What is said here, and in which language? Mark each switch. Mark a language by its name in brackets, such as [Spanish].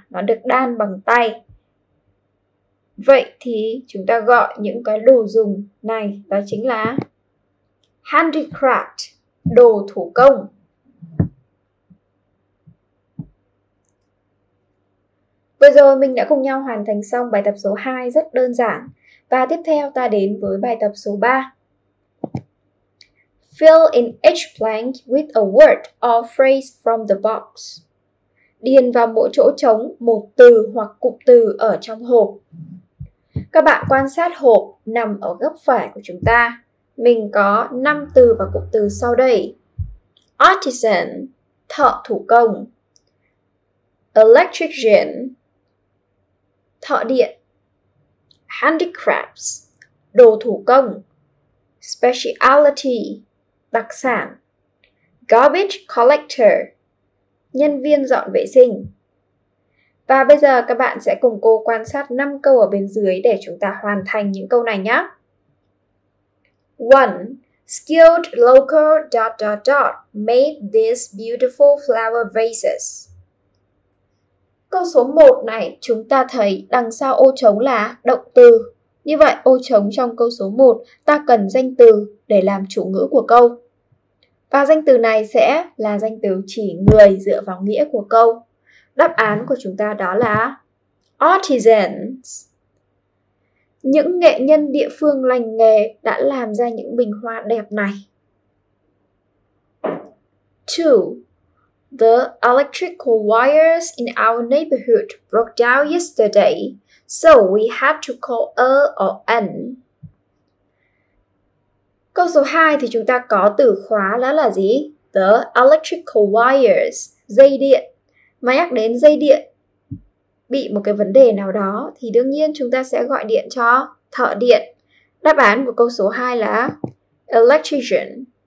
[Vietnamese] Nó được đan bằng tay. Vậy thì chúng ta gọi những cái đồ dùng này đó chính là handicraft, đồ thủ công. Vừa rồi mình đã cùng nhau hoàn thành xong bài tập số 2 rất đơn giản. Và tiếp theo ta đến với bài tập số 3. [English] Fill in each blank with a word or phrase from the box. [Vietnamese] Điền vào mỗi chỗ trống một từ hoặc cụm từ ở trong hộp. Các bạn quan sát hộp nằm ở góc phải của chúng ta. Mình có 5 từ và cụm từ sau đây. Artisan, thợ thủ công. Electrician, thợ điện. Handicrafts, đồ thủ công. Specialty, đặc sản. Garbage collector, nhân viên dọn vệ sinh. Và bây giờ các bạn sẽ cùng cô quan sát 5 câu ở bên dưới để chúng ta hoàn thành những câu này nhé. 1. [English] Skilled local dot dot dot made these beautiful flower vases. [Vietnamese] Câu số 1 này chúng ta thấy đằng sau ô trống là động từ. Như vậy ô trống trong câu số 1 ta cần danh từ để làm chủ ngữ của câu. Và danh từ này sẽ là danh từ chỉ người dựa vào nghĩa của câu. Đáp án của chúng ta đó là artisans. Những nghệ nhân địa phương lành nghề đã làm ra những bình hoa đẹp này. 2. [English] The electrical wires in our neighborhood broke down yesterday, so we had to call a or an. [Vietnamese] Câu số 2 thì chúng ta có từ khóa đó là gì? [English] The electrical wires, [Vietnamese] dây điện. Mà nhắc đến dây điện bị một cái vấn đề nào đó thì đương nhiên chúng ta sẽ gọi điện cho thợ điện. Đáp án của câu số 2 là electrician.